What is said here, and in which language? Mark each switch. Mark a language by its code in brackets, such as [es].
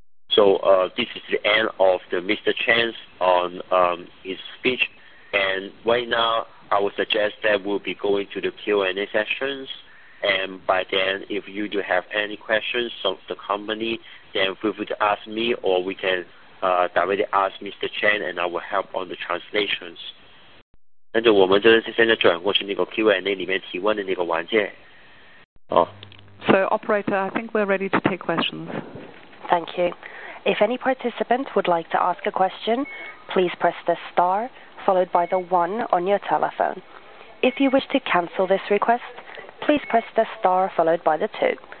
[en] So this is the end of the Mr. Chen's on his speech, and right now I would suggest that we'll be going to the Q&A sessions, and by then if you do have any questions of the company, then feel free to ask me, or we can directly ask Mr. Chen and I will help on the translations. [zh] 那就我们就是现在转过去那个 Q&A 里面提问的那个环节。 [en] So operator, I think we're ready to take questions. Thank you. If any participant would like to ask a question, please press the star followed by the 1 on your telephone. If you wish to cancel this request, please press the star followed by the 2.